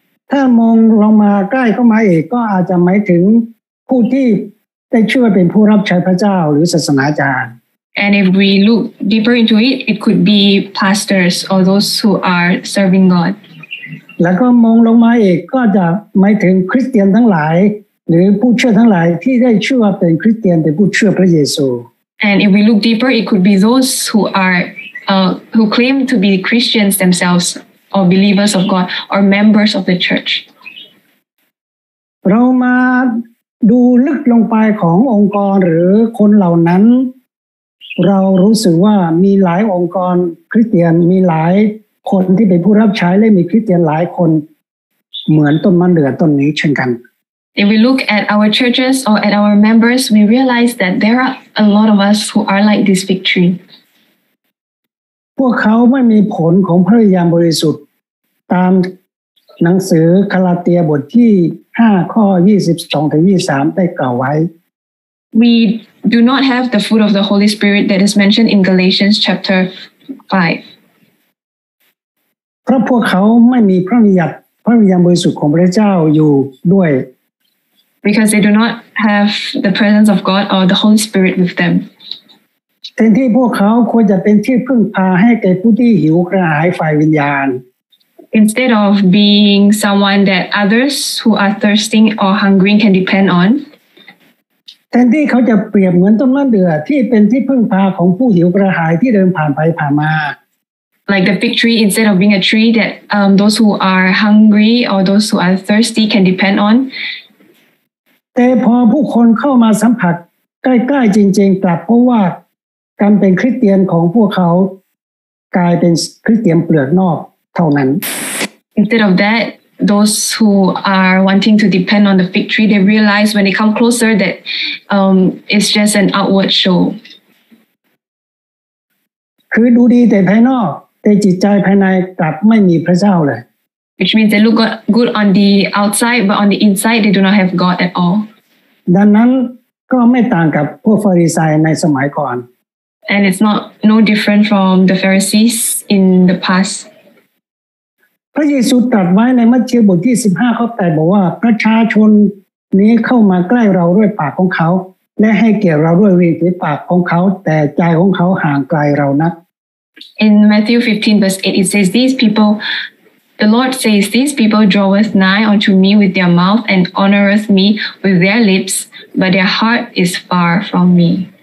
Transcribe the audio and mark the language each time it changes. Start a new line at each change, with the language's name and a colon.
Thai: ถ้ามองลงมาใกล้เข้ามาอีกก็อาจจะหมายถึงผู้ที่ ได้ชื่อว่าเป็นผู้รับใช้พระเจ้าหรือศาสนาอาจารย์
English: And if we look deeper into it, it could be pastors or those who are serving God.
Thai: แล้วก็มองลงมาอีกก็จะไม่ถึงคริสเตียนทั้งหลายหรือผู้เชื่อทั้งหลายที่ได้ชื่อว่าเป็นคริสเตียนแต่ผู้เชื่อพระเยซู
English: And if we look deeper, it could be those who are who claim to be Christians themselves or believers of God or members of the church.
Thai: เรามาดูลึกลงไปขององค์กรหรือคนเหล่านั้นเรารู้สึกว่ามีหลายองค์กรคริสเตียนมีหลายคนที่เป็นผู้รับใช้และมีคริสเตียนหลายคนเหมือนต้นมะเดื่อต้นนี้เช่นกัน
English: If we look at our churches or at our members we realize that there are a lot of us who are like this fig tree
Thai: พวกเขาไม่มีผลของพระวิญญาณบริสุทธิ์ตามหนังสือกาลาเตียบทที่5ข้อ22ถึง23ได้กล่าวไว้
English: We do not have the fruit of the Holy Spirit that is mentioned in Galatians chapter 5
Thai: เพราะพวกเขาไม่มีพระวิญญาณบริสุทธิ์ของพระเจ้าอยู่ด้วย
English: Because they do not have the presence of God or the Holy Spirit with them
Thai: แทนที่พวกเขาควรจะเป็นที่พึ่งพาให้แก่ผู้ที่หิวกระหายฝ่ายวิญญาณ
English: Instead of being someone that others who are thirsting or hungry can depend on
Thai: แทนที่เขาจะเปรียบเหมือนต้นมะเดื่อที่เป็นที่พึ่งพาของผู้หิวกระหายที่เดินผ่านไปผ่านมา
English: Like the fig tree, instead of being a tree that those who are hungry or those who are thirsty can depend on.
Thai: แต่พอผู้คนเข้ามาสัมผัสใกล้ๆจริงๆกลับเพราะว่าการเป็นคริสเตียนของพวกเขากลายเป็นคริสเตียนเปลือกนอกเท่านั้น
English: Instead of that, those who are wanting to depend on the fig tree, they realize when they come closer that it's just an outward show.
Thai: คือดูดีแต่ภายนอกแต่จิตใจภายในกลับไม่มีพระเจ้าเลย
English: Which means they look good on the outside but on the inside they do not have God at all
Thai: ดังนั้นก็ไม่ต่างกับพวกฟาริสายในสมัยก่อน
English: And it's not no different from the Pharisees in the past
Thai: พระเยซูตรัสไว้ในมัทธิวบทที่15ข้อ8บอกว่าประชาชนนี้เข้ามาใกล้เราด้วยปากของเขาและให้เกียรติเราด้วยริมฝีปากของเขาแต่ใจของเขาห่างไกลเรานัก
English: In Matthew 15 verse 8, it says, These people, the Lord says, These people draweth nigh unto me with their mouth and honoreth me with their lips, but their heart is far from me.